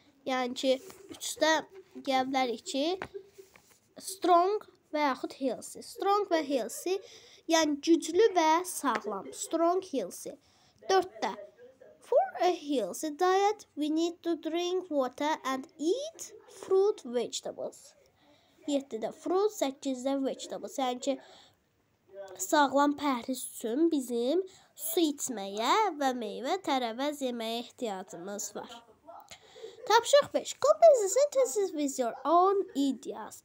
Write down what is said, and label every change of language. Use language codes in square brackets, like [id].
[az] Yəni ki, üçdə gəl bilərik ki, strong və yaxud healthy. Strong və healthy, yəni güclü və sağlam. Strong, healthy. Dörddə. [en] For a healthy diet, we need to drink water and eat fruit, vegetables. [az] 7-də fruit, 8-də vegetables. Yəni ki, sağlam pəhriz üçün bizim su içməyə və meyvə tərəvəz yeməyə ehtiyacımız var. Tapşırıq 5. [en] Combine the sentences with your own ideas.